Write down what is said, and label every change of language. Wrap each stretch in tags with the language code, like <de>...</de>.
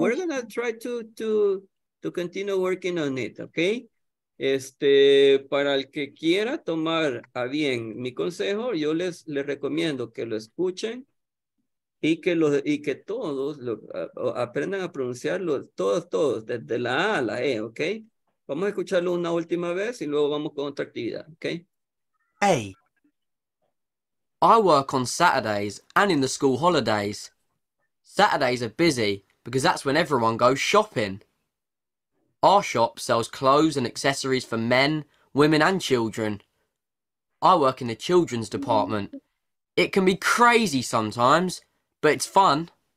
<en>We're gonna try to continue working on it, okay?</en> <es>Para el que quiera tomar a bien mi consejo, yo les recomiendo que lo escuchen y que todos aprendan a pronunciarlo, todos, desde la A a la E, ¿ok? Vamos a escucharlo una última vez y luego vamos con otra actividad, ¿ok?</es> <en>A. I work on Saturdays and in the school holidays. Saturdays are busy because that's when everyone goes shopping. Our shop sells clothes and accessories for men, women and children. I work in the children's department. It can be crazy sometimes, but it's fun.</en>